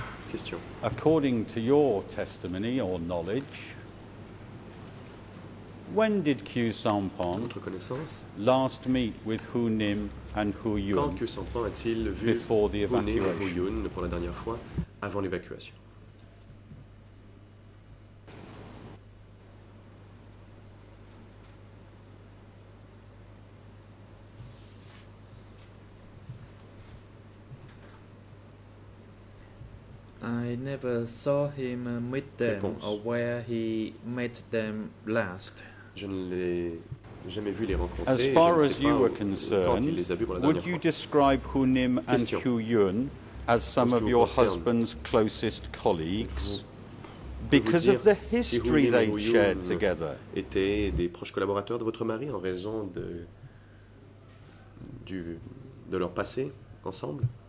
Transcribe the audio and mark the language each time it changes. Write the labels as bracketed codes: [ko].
[en] Question. According to your testimony or knowledge, when did Q. Sampon last meet with Hu Nim and Hu Yun? [fr] Quand Q. Sampon a-t-il vu [en] before the [fr] Hu Nim et Hu Yun pour la dernière fois avant l'évacuation? [en] I never saw him meet them or where he met them last. [fr] Je ne l'ai jamais vu les rencontrer. [en] As far as you were concerned, would you describe Hu Nim and Hu Yun as some of your husband's closest colleagues because of the history they shared together? [fr] Étaient des proches collaborateurs de votre mari en raison de leur passé ensemble?